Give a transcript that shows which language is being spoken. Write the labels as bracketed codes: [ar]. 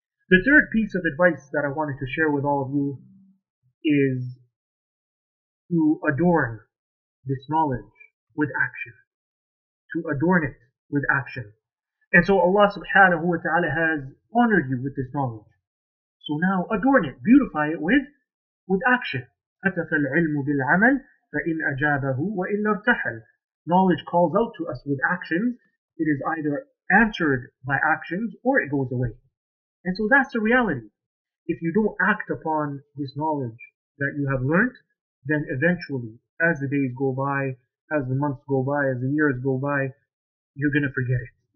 [en] The third piece of advice that I wanted to share with all of you is to adorn this knowledge with action. To adorn it with action. And so Allah subhanahu wa ta'ala has honored you with this knowledge. So now adorn it, beautify it with action. [ar] أتف العلم بالعمل فإن أجابه وإلا ارتحل. [en] Knowledge calls out to us with actions. It is either answered by actions or it goes away. And so that's the reality. If you don't act upon this knowledge that you have learned, then eventually, as the days go by, as the months go by, as the years go by, you're going to forget it.